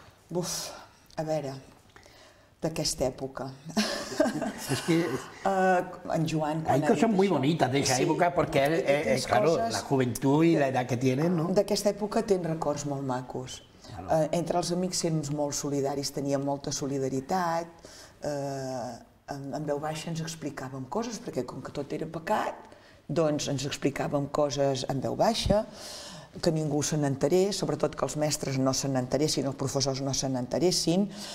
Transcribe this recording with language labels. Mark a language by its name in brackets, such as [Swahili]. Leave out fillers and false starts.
[Catalan] Uf, a veure, d'aquesta època. És que en Joan... [Spanish] Hay cosas muy bonitas de esa época, porque, claro, la juventud y la edad que tienen, ¿no? [Catalan] D'aquesta època tens records molt macos. Entre els amics sents molt solidaris, teníem molta solidaritat, en veu baixa ens explicàvem coses, perquè com que tot era pecat, doncs ens explicàvem coses en veu baixa, que ningú se n'enterés, sobretot que els mestres no se n'enteressin, els professors no se n'enteressin.